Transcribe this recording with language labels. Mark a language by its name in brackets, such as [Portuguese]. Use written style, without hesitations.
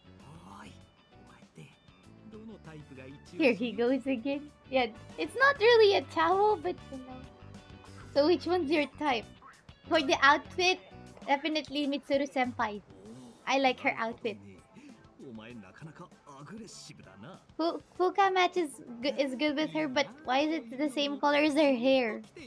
[Japanese] おい、お前ってどのタイプが一番？ [English] Here he goes again. Yeah, it's not really a towel, but you know. So which one's your type? For the outfit, definitely Mitsuru senpai. I like her outfit. [Japanese] お前なかなかアグレッシブだな。 [English] Fuka match is good with her, but why is it the same color as her hair?